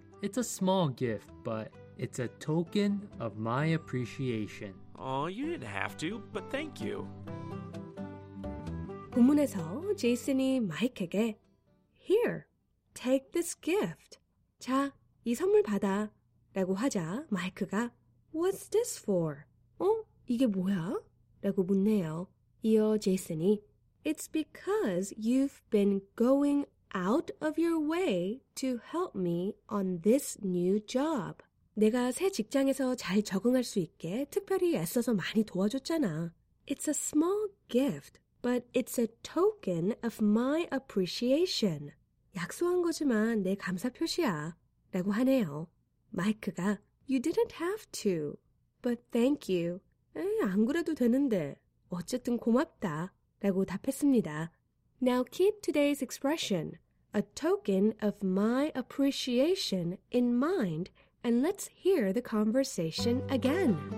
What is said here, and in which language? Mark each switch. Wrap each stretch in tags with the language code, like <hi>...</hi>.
<en>It's a small gift, but it's a token of my appreciation. Oh, you didn't have to, but thank you.</en> <ko>본문에서 제이슨이 마이크에게</ko> <en>Here, take this gift.</en> <ko>자, 이 선물 받아. 라고 하자 마이크가</ko> <en>What's this for?</en> <ko>어? 이게 뭐야? 라고 묻네요. 이어 제이슨이</ko> <en>It's because you've been going out of your way to help me on this new job.</en> <ko>내가 새 직장에서 잘 적응할 수 있게 특별히 애써서 많이 도와줬잖아.</ko> <en>It's a small gift, but it's a token of my appreciation.</en> <ko>약속한 거지만 내 감사 표시야. 라고 하네요.</ko> <en>마이크가 You didn't have to, but thank you.</en> <ko>에이, 안 그래도 되는데. 어쨌든 고맙다. 라고 답했습니다.</ko> <en>Now keep today's expression, a token of my appreciation, in mind, and let's hear the conversation again.</en>